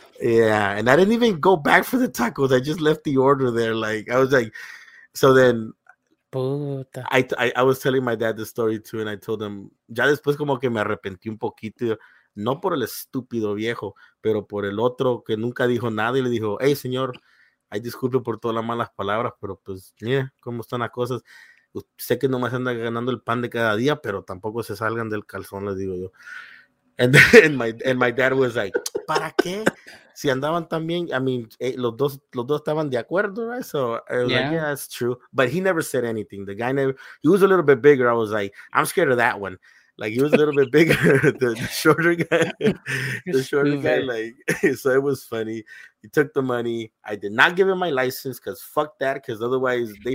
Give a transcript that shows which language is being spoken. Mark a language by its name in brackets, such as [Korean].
[English] Yeah, and I didn't even go back for the tacos. I just left the order there. Like I was like, so then [Spanish] puta. [English] I was telling my dad the story too, and I told him [Spanish] ya después como que me arrepentí un poquito, no por el estúpido viejo, pero por el otro que nunca dijo nada y le dijo, hey señor. Ay, disculpe por todas las malas palabras, pero pues, mira cómo están las cosas. Sé que nomás anda ganando el pan de cada día, pero tampoco se salgan del calzón, les digo yo. [English] And my dad was like, [Spanish] ¿para qué? Si andaban tan bien, [English] I mean, [Spanish] los dos estaban de acuerdo, [English] right? So, I was like, yeah, that's true. But he never said anything. The guy never, he was a little bit bigger. I was like, I'm scared of that one. Like, he was a little bit bigger, the shorter guy, like, so it was funny. He took the money. I did not give him my license, because fuck that, because otherwise they